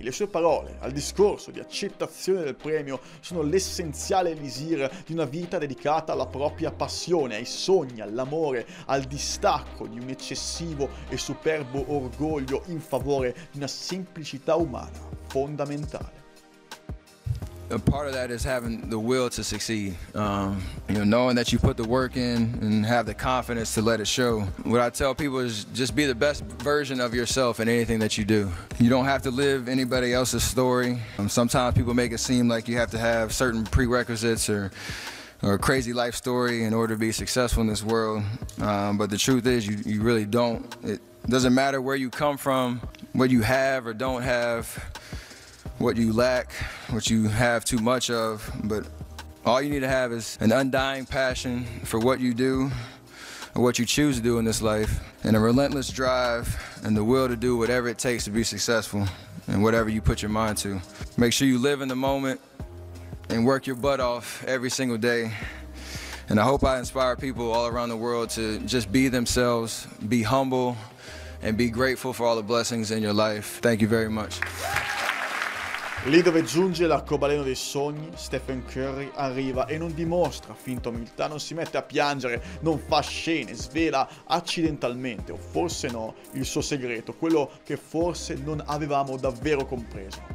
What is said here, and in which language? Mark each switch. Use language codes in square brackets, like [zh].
[it] Le sue parole al discorso di accettazione del premio sono l'essenziale elisir di una vita dedicata alla propria passione, ai sogni, all'amore, al distacco di un eccessivo e superbo orgoglio in favore di una semplicità umana fondamentale. [en] A part of that is having the will to succeed, knowing that you put the work in and have the confidence to let it show. What I tell people is just be the best version of yourself in anything that you do. You don't have to live anybody else's story. Sometimes people make it seem like you have to have certain prerequisites or a crazy life story in order to be successful in this world. But the truth is you really don't. It doesn't matter where you come from, what you have or don't have, what you lack, what you have too much of, but all you need to have is an undying passion for what you do or what you choose to do in this life, and a relentless drive and the will to do whatever it takes to be successful and whatever you put your mind to. Make sure you live in the moment and work your butt off every single day And I hope I inspire people all around the world to just be themselves, be humble, and be grateful for all the blessings in your life. Thank you very much. [it] Lì dove giunge l'arcobaleno dei sogni, Stephen Curry arriva e non dimostra finta umiltà, non si mette a piangere, non fa scene, svela accidentalmente, o forse no, il suo segreto, quello che forse non avevamo davvero compreso.